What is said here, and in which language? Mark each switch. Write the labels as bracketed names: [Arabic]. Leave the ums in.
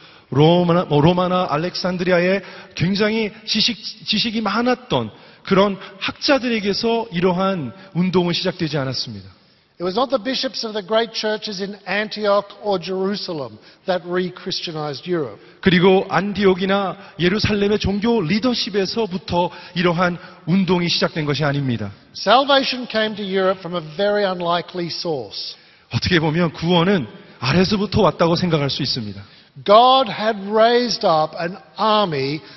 [Korean] 로마나, 로마나 알렉산드리아에 굉장히 지식, 지식이 많았던 그런 학자들에게서 이러한 운동은 시작되지 않았습니다. [English] It was not the bishops of the great churches in Antioch or Jerusalem that re-Christianized Europe. [Korean] 그리고 안디옥이나 예루살렘의 종교 리더십에서부터 이러한 운동이 시작된 것이 아닙니다. [English] Salvation came to Europe from a very unlikely source. [Korean] 어떻게 보면 구원은 아래서부터 왔다고 생각할 수 있습니다. [English] God had raised up an army